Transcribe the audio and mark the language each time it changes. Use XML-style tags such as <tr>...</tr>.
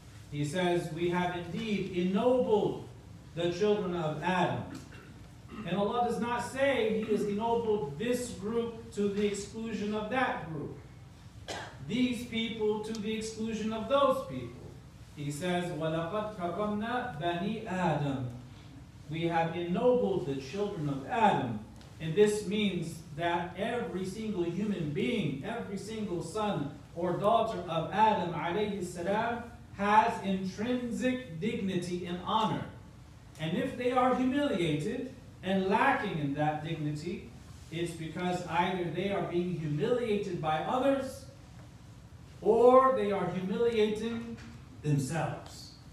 <en>He says, we have indeed ennobled the children of Adam. And Allah does not say He has ennobled this group to the exclusion of that group, these people to the exclusion of those people. He says,</en> <ar>وَلَقَدْ كَرَّمْنَا بَنِي آدَمَ.</ar> <en>We have ennobled the children of Adam. And this means that every single human being, every single son or daughter of Adam</en> <ar>عليه السلام,</ar> <en>has intrinsic dignity and honor. And if they are humiliated and lacking in that dignity, it's because either they are being humiliated by others, or they are humiliating themselves.</en>